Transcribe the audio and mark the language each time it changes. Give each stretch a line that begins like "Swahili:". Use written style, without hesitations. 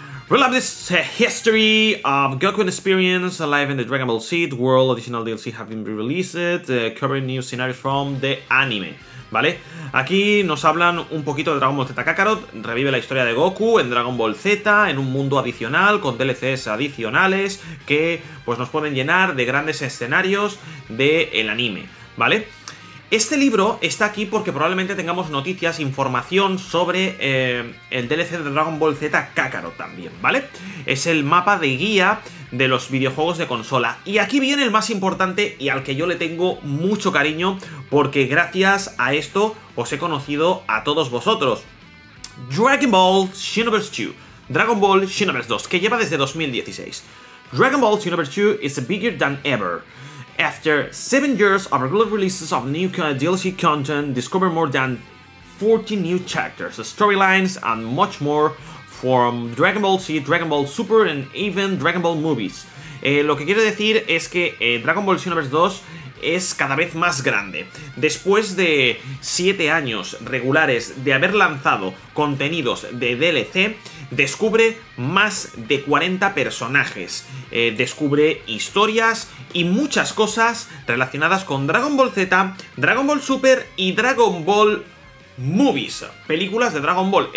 English: Relive this history of Goku experience alive in the Dragon Ball Seed world. Additional DLC have been released, covering new scenarios from the anime.
Spanish: ¿Vale? Aquí nos hablan un poquito de Dragon Ball Z Kakarot. Revive la historia de Goku en Dragon Ball Z, en un mundo adicional, con DLCs adicionales que pues nos pueden llenar de grandes escenarios del anime. ¿Vale? Este libro está aquí porque probablemente tengamos noticias, información sobre el DLC de Dragon Ball Z Kakarot también, ¿vale? Es el mapa de guía de los videojuegos de consola. Y aquí viene el más importante y al que yo le tengo mucho cariño porque gracias a esto os he conocido a todos vosotros. Dragon Ball Xenoverse 2. Dragon Ball Xenoverse 2, que lleva desde 2016.
English: Dragon Ball Xenoverse 2 is bigger than ever. After 7 years of regular releases of new DLC content, discover more than 40 new chapters, storylines and much more from Dragon Ball Z, Dragon Ball Super and even Dragon Ball Movies.
Spanish: Lo que quiero decir es que Dragon Ball Xenoverse 2 es cada vez más grande. Después de 7 años regulares de haber lanzado contenidos de DLC, descubre más de 40 personajes, descubre historias y muchas cosas relacionadas con Dragon Ball Z, Dragon Ball Super y Dragon Ball Movies, películas de Dragon Ball.